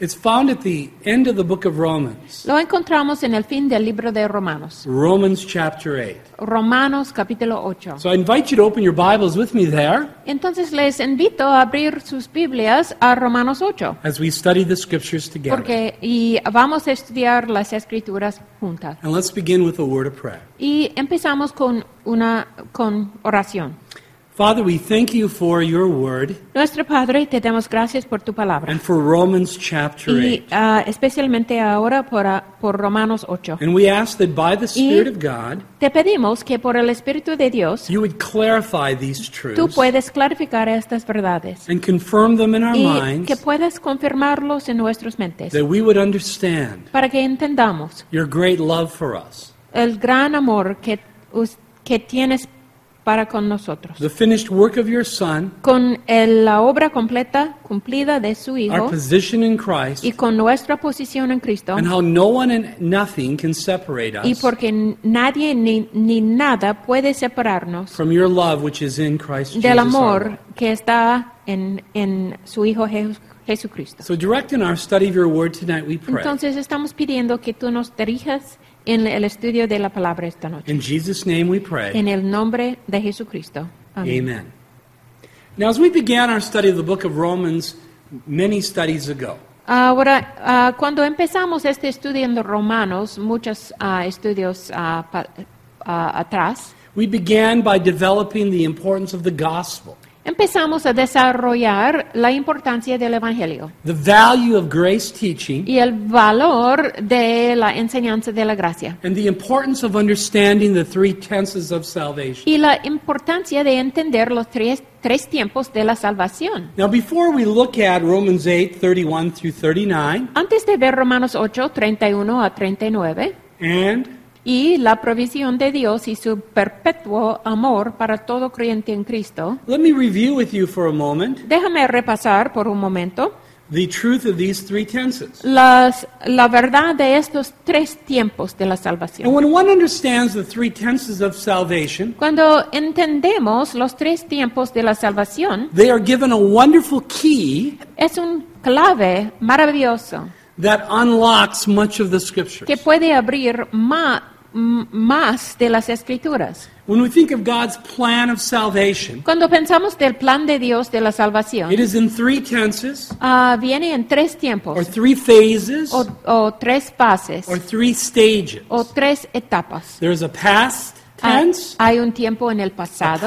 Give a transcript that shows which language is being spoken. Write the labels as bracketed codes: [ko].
[en] It's found at the end of the book of Romans. [es] Lo encontramos en el fin del libro de Romanos. [en] Romans chapter 8. [es] Romanos capítulo 8. [en] So I invite you to open your Bibles with me there. [es] Entonces les invito a abrir sus Biblias a Romanos 8. [en] As we study the scriptures together. [es] Porque y vamos a estudiar las escrituras juntas. [en] And let's begin with a word of prayer. [es] Y empezamos con oración. [en] Father, we thank you for your word. [es] Nuestro Padre, te damos gracias por tu palabra. [en] And for Romans chapter 8. [es] Y especialmente ahora por Romanos 8. [en] And we ask that by the Spirit of God, [es] te pedimos que por el Espíritu de Dios, [en] you would clarify these truths. [es] Tú puedes clarificar estas verdades. [en] And confirm them in our minds. [es] Y que puedas confirmarlos en nuestras mentes. [en] That we would understand. [es] Para que entendamos. [en] Your great love for us. [es] El gran amor que tienes para con nosotros. [en] The finished work of your son. [es] Con la obra completa cumplida de su hijo. [en] Our position in Christ. [es] Y con nuestra posición en Cristo. [en] And how no one and nothing can separate us. [es] Y porque nadie ni nada puede separarnos. [en] From your love which is in Christ Jesus. [es] Del amor que está en su hijo Jesucristo. [en] So direct in our study of your word tonight we pray. [es] Entonces estamos pidiendo que tú nos dirijas en el estudio de la palabra esta noche. [en] In Jesus' name we pray. [es] En el nombre de Jesucristo. Amén. [en] Amen. Now, as we began our study of the book of Romans many studies ago. [es] Ahora, cuando empezamos este estudio en los Romanos, muchos estudios atrás. [en] We began by developing the importance of the gospel. [es] Empezamos a desarrollar la importancia del Evangelio. [en] The value of grace teaching. [es] Y el valor de la enseñanza de la gracia. [en] And the importance of understanding the three tenses of salvation. [es] Y la importancia de entender los tres tiempos de la salvación. [en] Now before we look at Romans 8, 31 through 39. [es] Antes de ver Romanos 8, 31 a 39. [en] And. [es] Y la provisión de Dios y su perpetuo amor para todo creyente en Cristo. [en] Let me review with you for a moment. [es] Déjame repasar por un momento. [en] The truth of these three tenses. [es] La verdad de estos tres tiempos de la salvación. [en] And when one understands the three tenses of salvation. [es] Cuando entendemos los tres tiempos de la salvación. [en] They are given a wonderful key. [es] Es un clave maravilloso. [en] That unlocks much of the scriptures. [es] Que puede abrir más de las escrituras. [en] When we think of God's plan of salvation. [es] Cuando pensamos del plan de Dios de la salvación. [en] It is in three tenses. [es] Viene en tres tiempos. [en] Or three phases. [es] O tres fases. [en] Or three stages. [es] O tres etapas. [en] There is a past. Tense, [es] hay un tiempo en el pasado,